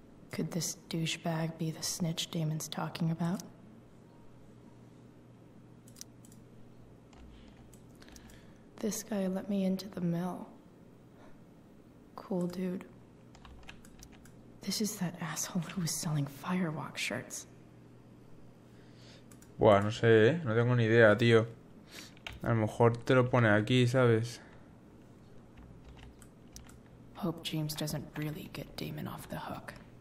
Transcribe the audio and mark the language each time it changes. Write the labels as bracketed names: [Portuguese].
[English] Could this douchebag be the snitch Damon's talking about? This guy let me into the mill. Cool dude. This is that asshole who was selling Firewalk shirts. [Spanish] Buah, no sé, no tengo ni idea, tío. A lo mejor te lo pone aquí, ¿sabes? [English] Hope James doesn't really get Damon off the hook.